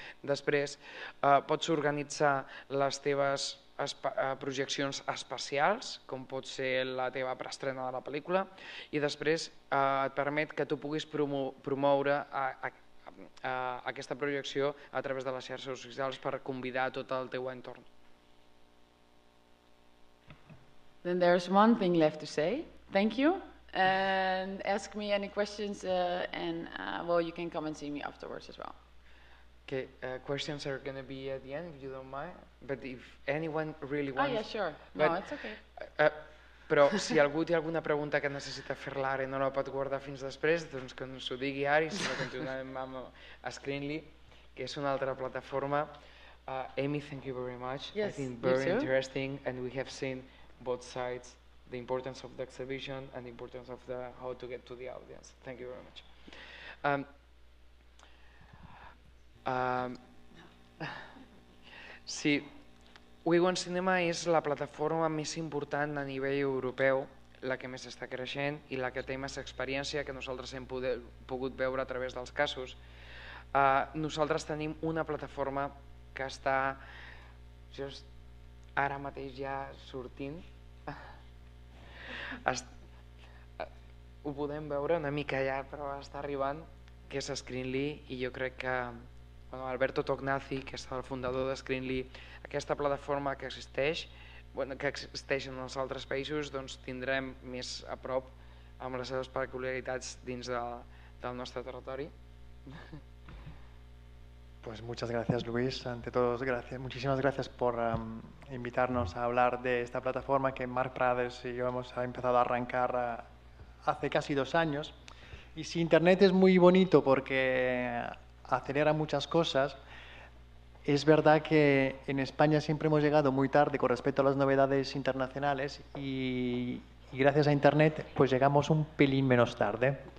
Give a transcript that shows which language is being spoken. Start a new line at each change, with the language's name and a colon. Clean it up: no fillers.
Catalan: Després pots organitzar les teves projeccions especials, com pot ser la teva preestrena de la pel·lícula, i després et permet que tu puguis promoure aquesta projecció a través de les xarxes socials per convidar tot el teu entorn.
English: Then there's one thing left to say. Thank you. and ask me any questions, well, you can come and see me afterwards as well. Okay, questions are going to be at the end, if you don't mind. But if anyone really wants... Oh, yeah, sure. But, no, it's okay.
Catalan: Però si algú té alguna pregunta que necessita fer-la ara i no la pot guardar fins després, doncs que ens ho digui ara i se la continuarem amb Screenly, que és una altra plataforma.
English: Amy, thank you very much. Yes, I think very interesting, and we have seen both sides, the importance of the exhibition and the importance of the how to get to the audience. Thank you very much.
Catalan: Sí, We Want Cinema és la plataforma més important a nivell europeu, la que més està creixent i la que té més experiència que nosaltres hem pogut veure a través dels casos. Nosaltres tenim una plataforma que està just ara mateix ja sortint. Ho podem veure una mica allà, però està arribant, que és Screenly, i jo crec que bueno, Alberto Tognazzi, que és el fundador de Screenly, aquesta plataforma que existeix, bueno, que existeix en els altres països, doncs tindrem més a prop amb les seves peculiaritats dins del nostre territori.
Spanish: Pues muchas gracias, Luis. Ante todo, gracias. Muchísimas gracias por invitarnos a hablar de esta plataforma que Marc Prades y yo hemos empezado a arrancar hace casi 2 años. Y si Internet es muy bonito porque acelera muchas cosas, es verdad que en España siempre hemos llegado muy tarde con respecto a las novedades internacionales y gracias a Internet pues llegamos un pelín menos tarde.